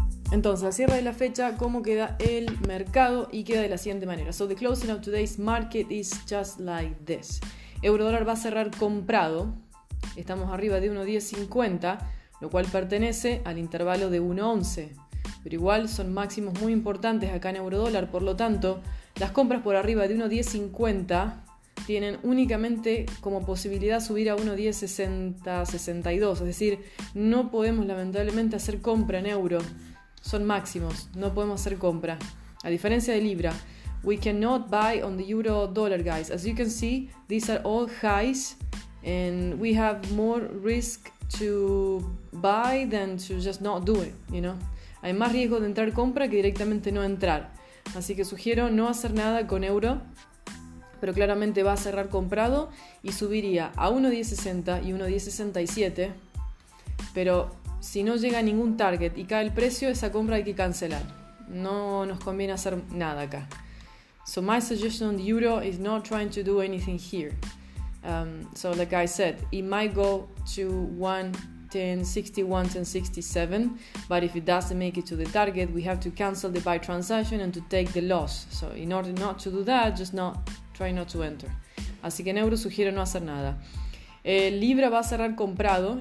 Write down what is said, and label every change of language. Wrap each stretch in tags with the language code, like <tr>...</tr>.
<es>Entonces, cierra de la fecha, ¿cómo queda el mercado? Y queda de la siguiente manera.</es> <en>So the closing of today's market is just like this.</en> <es>Euro dólar va a cerrar comprado. Estamos arriba de 1.1050, lo cual pertenece al intervalo de 1.11. Pero igual son máximos muy importantes acá en euro dólar. Por lo tanto, las compras por arriba de 1.1050 tienen únicamente como posibilidad subir a 1.1060-62. Es decir, no podemos lamentablemente hacer compra en euro. Son máximos, no podemos hacer compra. A diferencia de Libra,</es> <en>we cannot buy on the euro dollar, guys. As you can see, these are all highs and we have more risk to buy than to just not do it, you know.</en> <es>Hay más riesgo de entrar compra que directamente no entrar. Así que sugiero no hacer nada con euro, pero claramente va a cerrar comprado y subiría a 1.1060 y 1.1067, pero si no llega a ningún target y cae el precio, esa compra hay que cancelar. No nos conviene hacer nada acá.</es> <en>So my suggestion on the euro is not trying to do anything here. So like I said, it might go to 1.1060, 1.1067, but if it doesn't make it to the target, we have to cancel the buy transaction and to take the loss. So in order not to do that, just not try not to enter.</en> <es>Así que en euro sugiero no hacer nada. Libra va a cerrar comprado.</es>